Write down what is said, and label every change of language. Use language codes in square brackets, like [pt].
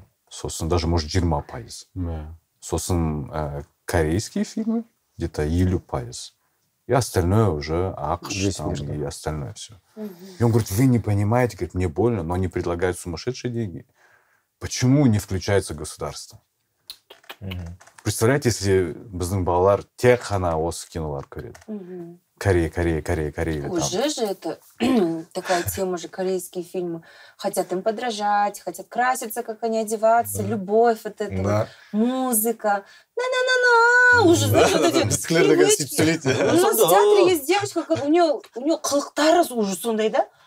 [ru] Сосын, даже может, 20%. Сосын, корейские фильмы, где-то 50%. И остальное уже АКШ, и остальное все. И он говорит, вы не понимаете, говорит, мне больно, но они предлагают сумасшедшие деньги. Почему не включается государство? Представляете, если [kk] біздің балалар тек қана осы кинолар көреді. [ru] Корея, Корея, Корея, Корея. Уже же это такая тема же, корейские фильмы. Хотят им подражать, хотят краситься, как они одеваться, любовь вот эта, да. Музыка. На-на-на-на! Уже, знаешь, вот эти привычки. У нас в театре есть девочка, у нее [kk] қылықтары уже сондай, [ru] да?